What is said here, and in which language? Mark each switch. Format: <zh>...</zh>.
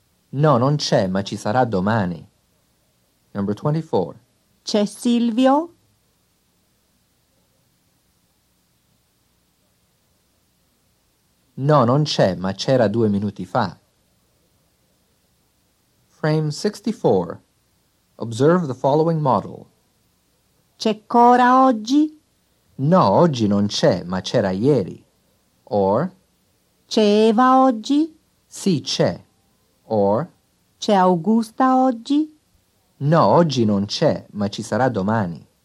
<it>No, non c'è, ma ci sarà domani.</it> <en>Number 24.</en> <it>C'è Silvio? No, non c'è, ma c'era due minuti fa.</it> <en>Frame 64. Observe the following model.</en> <it>C'è Cora oggi? No, oggi non c'è, ma c'era ieri.</it> <en>Or?</en> <it>C'è Eva oggi? Sì, c'è.</it> <en>Or?</en> <it>C'è Augusta oggi? No, oggi non c'è, ma ci sarà domani.</it>